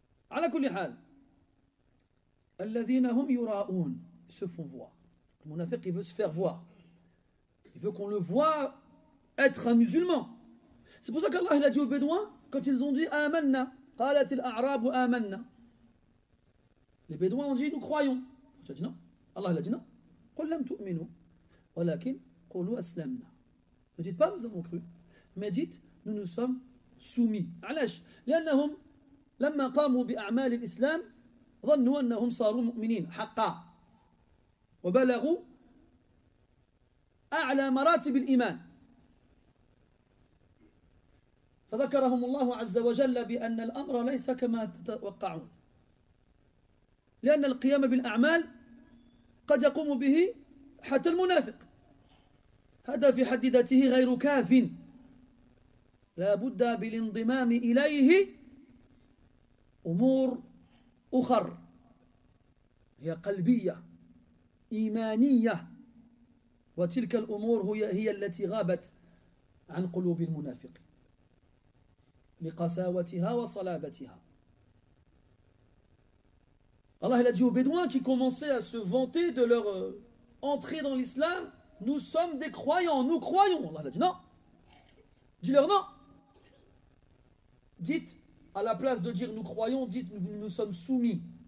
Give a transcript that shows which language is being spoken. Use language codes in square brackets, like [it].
[ar] Ala kulli hal. Alladhina hum yura'un. [fr] Ils se font voir. Mon affaire, il veut se faire voir. Il veut qu'on le voit être un musulman. C'est pour ça qu'Allah il a dit aux Bédouins, quand ils ont dit « Amanna »« [ar] Qalat al-A'rab Amanna [fr] » Les Bédouins ont dit « Nous croyons » Tu as dit non. Allah il a dit non. [ar] « Qul lam tu'minu walakin qulu aslamna » [fr] Ne dites pas « Nous avons cru » Mais dites « Nous nous sommes soumis [ar] » Alash « Liannahum lamma qamu bi'a'mal al-islam dhannu annahum saru mu'minin haqqa wa balagu a'la maratib al-iman » فذكرهم الله عز وجل بأن الأمر ليس كما تتوقعون لأن القيام بالأعمال قد يقوم به حتى المنافق هذا في حد ذاته غير كاف لا بد بالانضمام إليه أمور أخرى هي قلبية إيمانية وتلك الأمور هي التي غابت عن قلوب المنافقين لقساوتها وصلابتها. [fr] Allah il a dit aux Bédouins qui commençaient à se vanter de leur entrée dans l'islam, nous sommes des croyants, nous croyons. Allah il a dit non. Dis-leur non. Dites, à la place de dire nous croyons, dites nous sommes soumis.